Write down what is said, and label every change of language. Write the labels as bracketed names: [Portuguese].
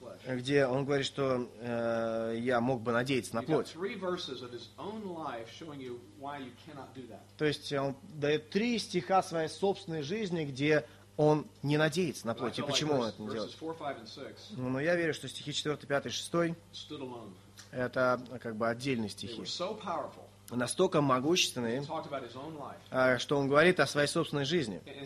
[Russian] где он говорит, что я мог бы надеяться на плоть. [English] Three verses of his own life showing you why you cannot do that. [Russian] То есть он дает 3 стиха своей собственной жизни, где он не надеется на плоть. И почему [English] like [Russian] он это не делает? [English] Four, five, and six. [Russian] Но я верю, что стихи 4, 5 и 6 [English] stood alone. [Russian] Это как бы отдельные стихи. [English] They were so powerful. [Russian] Настолько могущественные, что он говорит о своей собственной жизни.